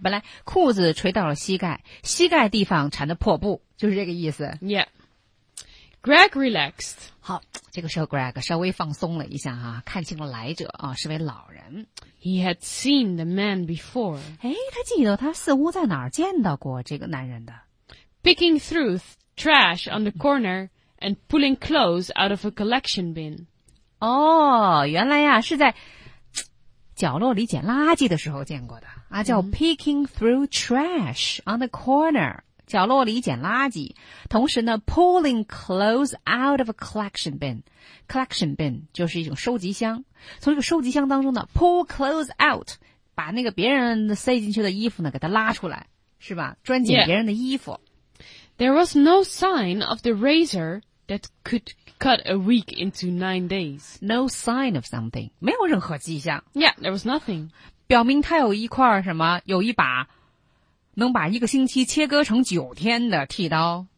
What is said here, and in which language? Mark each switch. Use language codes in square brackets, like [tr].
[zh] 本来裤子垂到了膝盖，膝盖地方缠的破布，就是这个意思。 [en] Yeah. Greg relaxed. [zh] 好，这个时候 Greg 稍微放松了一下啊，看清了来者啊，是位老人。 [en] He had seen the man before. [zh] 诶，他记得他似乎在哪儿见到过这个男人的。 [en] Picking through trash on the corner and pulling clothes out of a collection bin. [zh] 哦，原来呀，是在角落里捡垃圾的时候见过的啊，叫 [en] picking through trash on the corner， [zh] 角落里捡垃圾，同时呢 [en] pulling clothes out of a collection bin， [zh] collection bin 就是一种收集箱，从这个收集箱当中呢 [en] pull clothes out， [zh] 把那个别人塞进去的衣服呢给它拉出来，是吧，专捡别人的衣服、 [en] yeah. There was no sign of the razor that could cut a week into 9 days. No sign of something. [zh] 没有任何迹象。 [en] Yeah, there was nothing. [zh] 表明他有一块什么，有一把能把一个星期切割成9天的剃刀。